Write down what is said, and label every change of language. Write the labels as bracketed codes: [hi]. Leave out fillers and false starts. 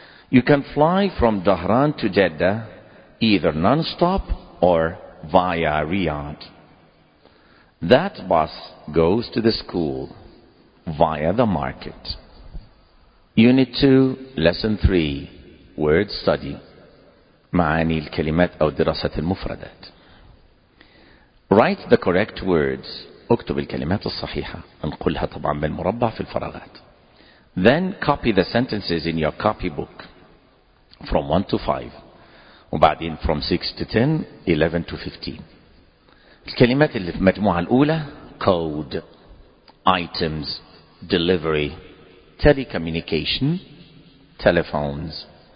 [en] You can fly from Tehran to Jeddah either non-stop or via Riyadh. That bus goes to the school via the market. Unit 2, Lesson 3, Word Study. [ar] معاني الكلمات أو دراسة المفردات. [en] Write the correct words. [ar] اكتب الكلمات الصحيحة. انقلها طبعا بالمربع في الفراغات. [en] Then copy the sentences in your copy book from 1 to 5. [ar] وبعدين [en] from 6 to 10, 11 to 15. [ar] الكلمات اللي في المجموعة الأولى [en] code, items, delivery, telecommunication, telephones.